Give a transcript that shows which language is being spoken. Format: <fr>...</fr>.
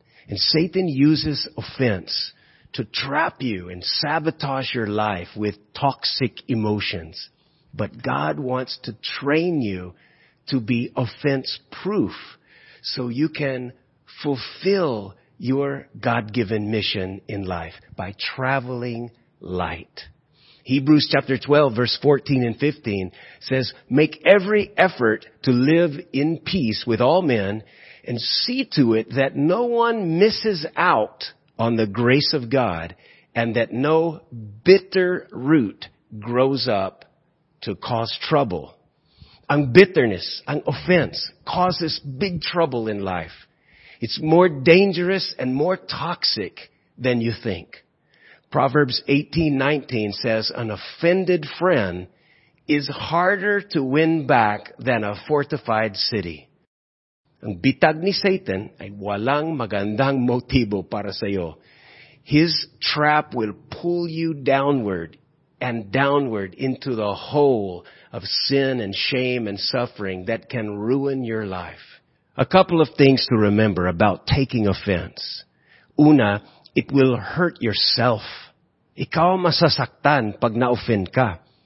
<en>And Satan uses offense to trap you and sabotage your life with toxic emotions. But God wants to train you to be offense-proof so you can fulfill your God-given mission in life by traveling light. Hebrews chapter 12, verse 14 and 15 says, "Make every effort to live in peace with all men, and see to it that no one misses out on the grace of God and that no bitter root grows up to cause trouble." Ang bitterness, ang offense, causes big trouble in life. It's more dangerous and more toxic than you think. Proverbs 18:19 says, "An offended friend is harder to win back than a fortified city."</en> <tl>Ang bitag ni Satan ay walang magandang motibo para sa iyo.</tl> <en>His trap will pull you downward and downward into the hole of sin and shame and suffering that can ruin your life. A couple of things to remember about taking offense.</en> <tl>Una,</tl> <en>it will hurt yourself.</en> <tl>Ikaw masasaktan pag na-offend ka.</tl>